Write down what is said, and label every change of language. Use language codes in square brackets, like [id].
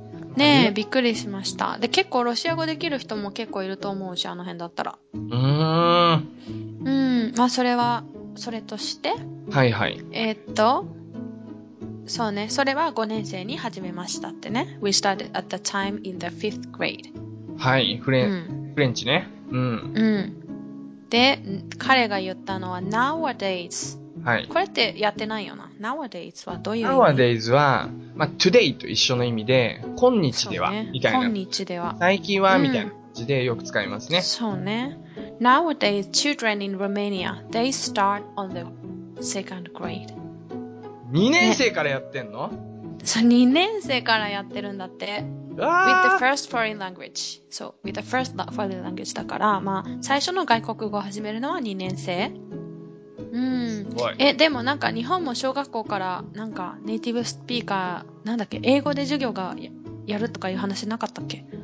[ja] うん、ねえ、びっくりしました。で結構ロシア語できる人も結構いると思うし、あの辺だったら。うーん、うん、まあそれはそれとして、はいはい、そうね、それは5年生に始めましたってね。 [en] We started at the time in the fifth grade。 [ja] はい、フレンチね。うん、うん、で彼が言ったのは Nowadays、はい、これってやってないよな。 Nowadays はどういう意味？ Nowadays は、まあ、Today と一緒の意味で、今日では、ね、みたいな、今日では最近は、うん、みたいな感じでよく使いますね。そうね。 [en] Nowadays children in Romania they start on the second grade。 [ja] 2年生からやってんの、ね、そう、2年生からやってるんだって。 [en] With the first foreign language。 [ja] そう、 [en] With the first foreign language [ja] だから、まあ最初の外国語を始めるのは2年生。うん、え、でもなんか日本も小学校からなんかネイティブスピーカーなんだっけ、英語で授業が やるとかいう話なかったっけ。